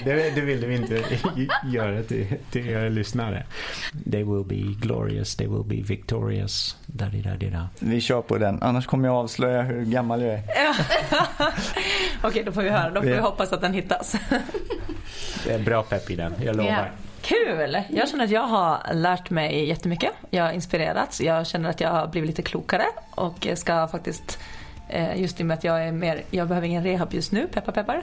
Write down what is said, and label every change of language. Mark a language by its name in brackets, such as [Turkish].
[Swedish] Det vill du inte göra till er lyssnare. [English] They will be glorious, they will be victorious. Da-di-da-di-da. [Swedish] Vi kör på den, annars kommer jag avslöja hur gammal jag är. Okej, då får vi höra. Då får vi hoppas att den hittas. Det är bra pepp i den, jag lovar. Kul! Jag känner att jag har lärt mig jättemycket. Jag har inspirerats. Jag känner att jag har blivit lite klokare. Och ska faktiskt, just i och med att jag är mer, jag behöver ingen rehab just nu, peppa peppar.